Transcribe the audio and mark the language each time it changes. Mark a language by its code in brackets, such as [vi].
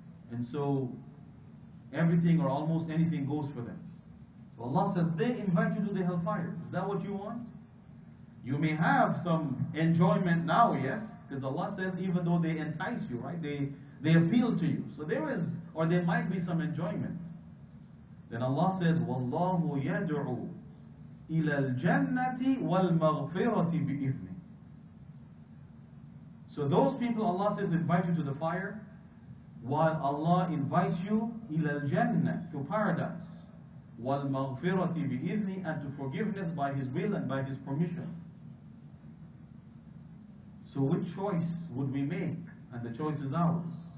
[en] And so, everything or almost anything goes for them. So Allah says, they invite you to the hellfire. Is that what you want? You may have some enjoyment now, yes. Because Allah says, even though they entice you, right? They appeal to you. So there is, or there might be some enjoyment. Then Allah says, [ar] وَاللَّهُ يَدْعُوا إِلَى الْجَنَّةِ وَالْمَغْفِرَةِ بِإِذْنِهِ. [en] So those people Allah says invite you to the fire, while Allah invites you [ar] ila al-jannah, [en] to paradise, [ar] wal maghfirati bi-idhni, [en] and to forgiveness by His will and by His permission. So which choice would we make? And the choice is ours.